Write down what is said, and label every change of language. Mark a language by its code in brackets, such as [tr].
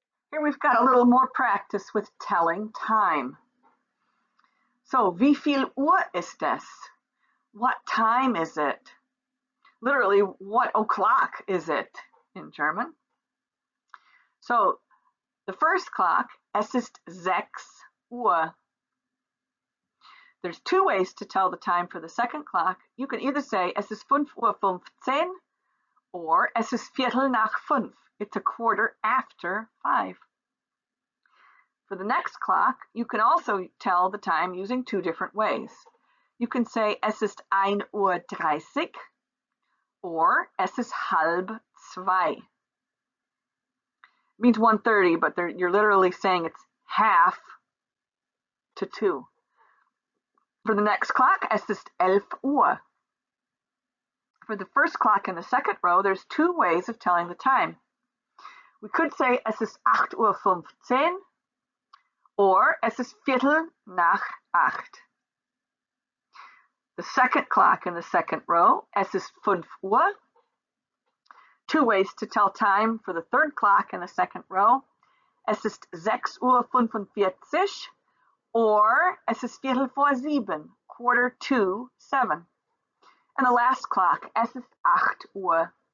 [en] Here we've got a little more practice with telling time. [de] So, wie viel Uhr ist es? [en] What time is it? Literally, what o'clock is it in German? So, the first clock, [de] es ist 6 Uhr. [en] There's two ways to tell the time for the second clock. You can either say, [de] es ist 5 Uhr 15, [en] or [de] es ist Viertel nach 5. [en] It's a quarter after 5. For the next clock, you can also tell the time using two different ways. You can say, [de] es ist 1:30, [en] or es ist 1:30. It means 1:30, but you're literally saying it's half to 2. For the next clock, [de] es ist 11 Uhr. [en] For the first clock in the second row, there's two ways of telling the time. We could say, [de] es ist 8:15. [en] Or, [de] es ist Viertel nach acht. [en] The second clock in the second row, [de] es ist 5 Uhr. [en] Two ways to tell time for the third clock in the second row. [de] Es ist 6:45. Or, es ist Viertel vor sieben, [en] quarter to 7. And the last clock, [de] es ist 8 Uhr.